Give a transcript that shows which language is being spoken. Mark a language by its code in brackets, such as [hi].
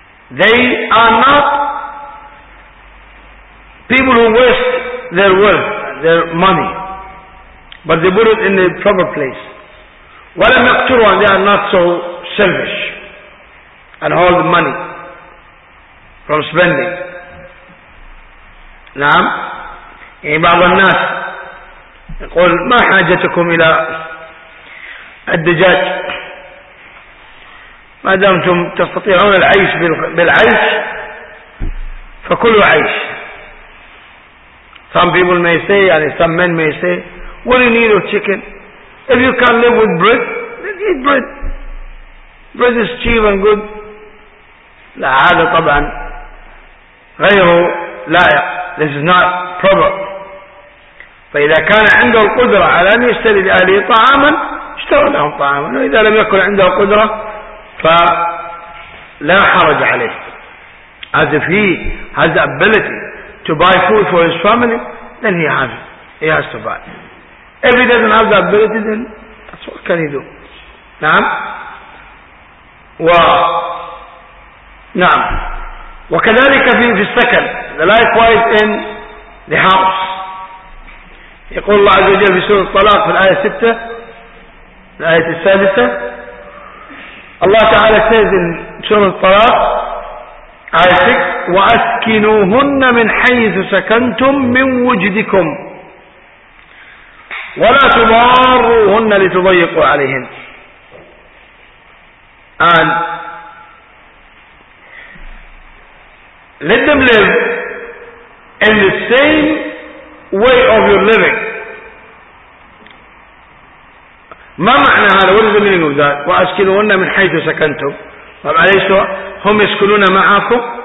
[en] They are not people who waste their wealth, their money. But they put it in the proper place. [ar] وَلَمْ يَقْتُرُوا [en] and they are not so selfish and hold the money from spending. [ar] نعم يعني بعض الناس يقول ما حاجتكم إلى الدجاج ما دامتم تستطيعون العيش بالعيش فكلوا عيش. [en] Some people may say, and some men may say, what do you need of chicken? If you can't live with bread, then eat bread. Bread is cheap and good. [ar] لا هذا طبعا غير لائق. [en] This is not proper. [ar] فإذا كان عنده القدرة على أن يشتري لأهله طعاما اشترى لهم طعاما, وإذا لم يكن عنده قدرة فلا حرج عليه. [en] As if he has the ability to buy food for his family, then he has to buy. If he doesn't have the ability, then that's what can he do. [ar] نعم و نعم وكذلك في السكن. [en] Likewise in the house. [ar] يقول الله عز وجل في سورة الطلاق في الآية 6 الآية السادسة. الله تعالى [en] says in [ar] سورة الطلاق آية 6 وأسكنوهن من حيث سكنتم من وجدكم ولا تضاروهن لتضيقوا عليهن. [en] And let them live in the same way of your living. [ar] ما معنى هذا؟ [en] What is the meaning of that? [ar] وأسكنوهن من حيث سكنتم. طب عليه هم يسكنون معكم.